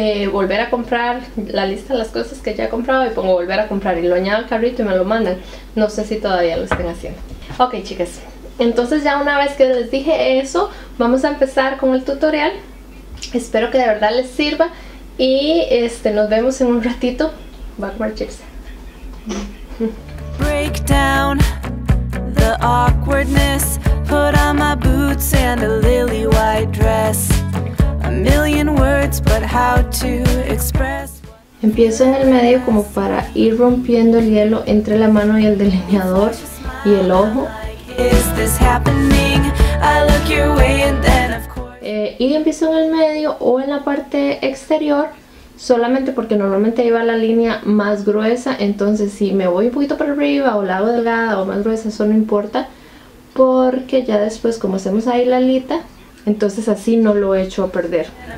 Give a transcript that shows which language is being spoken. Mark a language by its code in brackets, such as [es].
[es] volver a comprar la lista de las cosas que ya he comprado y pongo volver a comprar y lo añado al carrito y me lo mandan. No sé si todavía lo estén haciendo. Ok, chicas, entonces ya una vez que les dije eso, vamos a empezar con el tutorial. Espero que de verdad les sirva y nos vemos en un ratito. Voy a comer chips. [en] Break down the awkwardness, put on my boots and a lily white dress. A million words, but how to express. [es] Empiezo en el medio como para ir rompiendo el hielo entre la mano y el delineador y el ojo. [en] Is this happening? I look your way and then of course. [es] Y empiezo en el medio o en la parte exterior. Solamente porque normalmente iba la línea más gruesa, entonces si me voy un poquito para arriba o la hago delgada o más gruesa, eso no importa, porque ya después como hacemos ahí la alita, entonces así no lo echo a perder.